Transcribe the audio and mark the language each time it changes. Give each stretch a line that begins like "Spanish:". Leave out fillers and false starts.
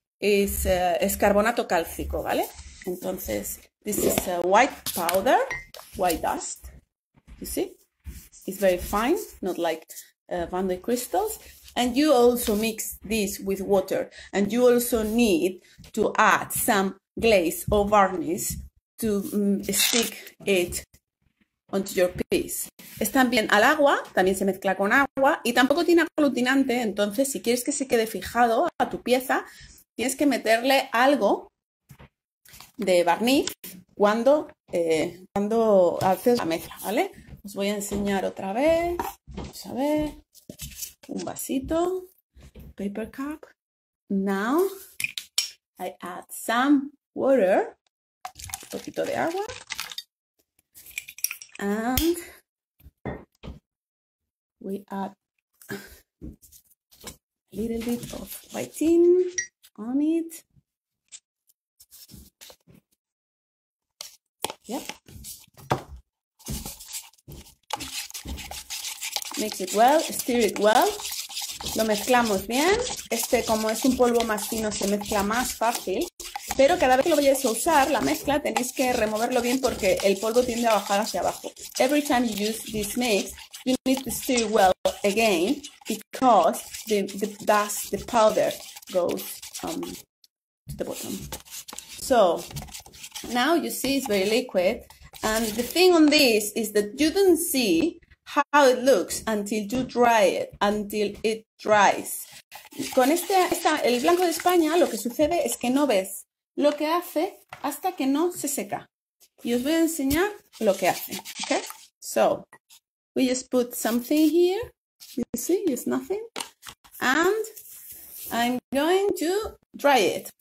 Spanish: Es carbonato cálcico, ¿vale? Entonces,
English: this is a white powder, white dust. You see? It's very fine, not like vandyke crystals. And you also mix this with water. And you also need to add some glaze or varnish to stick it onto your piece.
Spanish: Es también al agua, también se mezcla con agua. Y tampoco tiene aglutinante, entonces si quieres que se quede fijado a tu pieza, tienes que meterle algo de barniz cuando, cuando haces la mezcla, ¿vale? Os voy a enseñar otra vez. Vamos a ver. Un vasito.
English: Paper cup. Now I add some water.
Spanish: Un poquito de agua.
English: And we add a little bit of whiting on it. Yep. Mix it well, stir it well.
Spanish: Lo mezclamos bien. Este, como es un polvo más fino, se mezcla más fácil. Pero cada vez que lo vayáis a usar, la mezcla, tenéis que removerlo bien porque el polvo tiende a bajar hacia abajo.
English: Every time you use this mix, you need to stir well again because the dust, the powder, goes to the bottom. So, now you see it's very liquid. And the thing on this is that you don't see how it looks until you dry it, until it dries.
Spanish: Con el blanco de España, lo que sucede es que no ves lo que hace hasta que no se seca. Y os voy a enseñar lo que hace,
English: okay? So, we just put something here. You see, it's nothing. And I'm going to dry it.